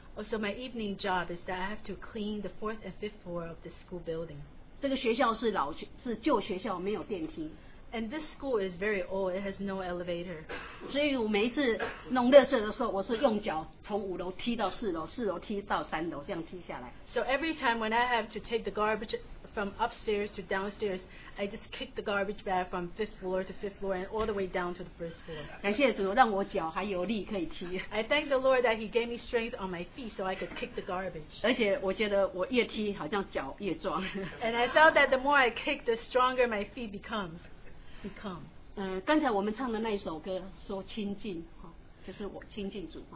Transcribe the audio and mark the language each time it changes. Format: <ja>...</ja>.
<en>Also, my evening job is that I have to clean the 4th and 5th floor of the school building.</en> <zh>这个学校是旧学校,没有电梯。</zh> <en>And this school is very old, it has no elevator.</en> <zh>所以我每一次弄垃圾的时候,我是用脚从5楼踢到4楼,4楼踢到3楼,这样踢下来。</zh> <en>So every time when I have to take the garbage from upstairs to downstairs, I just kick the garbage bag from 5th floor to 5th floor and all the way down to the 1st floor.</en> <zh>感谢主,让我脚还有力可以踢。</zh> <en>I thank the Lord that He gave me strength on my feet so I could kick the garbage.</en> <zh>而且我觉得我越踢好像脚越壮。</zh> <en>And I felt that the more I kick, the stronger my feet becomes. Become.</en> <zh>刚才我们唱的那一首歌说亲近，就是我亲近主。</zh>